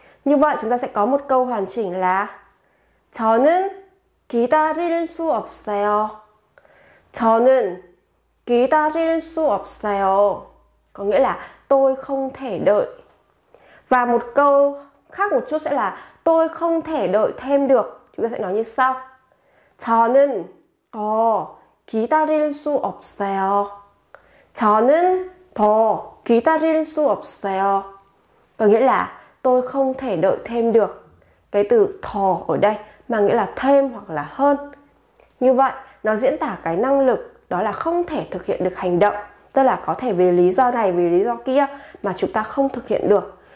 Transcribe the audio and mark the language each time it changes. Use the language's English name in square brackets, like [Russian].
[Vietnamese] Như vậy chúng ta sẽ có một câu hoàn chỉnh là [Korean] 저는 기다릴 수 없어요. 저는 기다릴 수 없어요. [Vietnamese] Có nghĩa là tôi không thể đợi. Và một câu khác một chút sẽ là tôi không thể đợi thêm được. Chúng ta sẽ nói như sau. [Korean] 저는 더 기다릴 수 없어요. 저는 더 기다릴 수 없어요. [Vietnamese] Có nghĩa là tôi không thể đợi thêm được. Cái từ 더 ở đây mà nghĩa là thêm hoặc là hơn. Như vậy, nó diễn tả cái năng lực, đó là không thể thực hiện được hành động. Tức là có thể vì lý do này, vì lý do kia mà chúng ta không thực hiện được.